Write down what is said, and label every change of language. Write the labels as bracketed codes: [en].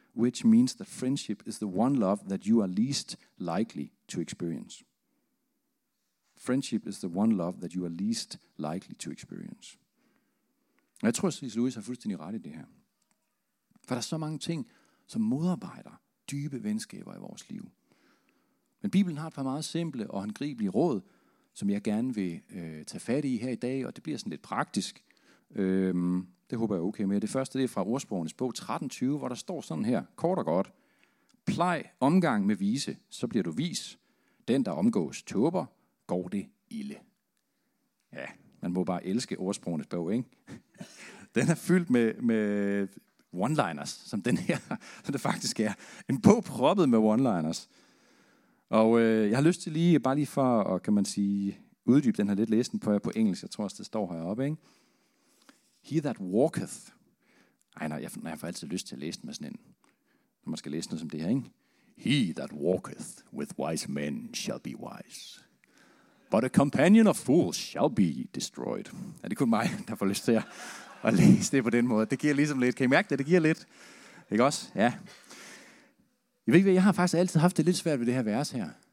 [en] which means that friendship is the one love that you are least likely to experience. Friendship is the one love that you are least likely to experience. [da] Jeg tror, C.S. Lewis har fuldstændig ret i det her. For der er så mange ting, som modarbejder dybe venskaber i vores liv. Men Bibelen har et par meget simple og håndgribelige råd, som jeg gerne vil tage fat i her i dag, og det bliver sådan lidt praktisk. Det håber jeg er okay med. Det første det er fra Ordsprogenes bog 13:20, hvor der står sådan her, kort og godt. Plej omgang med vise, så bliver du vis. Den, der omgås tåber, går det ilde. Ja, man må bare elske Ordsprogenes bog, ikke? Den er fyldt med one-liners, som den her, som det faktisk er. En bog proppet med one-liners. Og jeg har lyst til lige, bare lige for at, kan man sige, uddybe den her lidt, læsen på jer på engelsk. Jeg tror også, det står heroppe, ikke? [en] He that walketh. [da] Ej, nej, jeg får altid lyst til at læse den med sådan en. Når man skal læse noget som det her, ikke? [en] He that walketh with wise men shall be wise. But a companion of fools shall be destroyed. [da] Ja, det er kun mig, der får lyst til at læse det på den måde. Det giver ligesom lidt. Kan I mærke det? Det giver lidt. Ikke også? Ja. Jeg har faktisk altid haft det lidt svært ved det her vers her.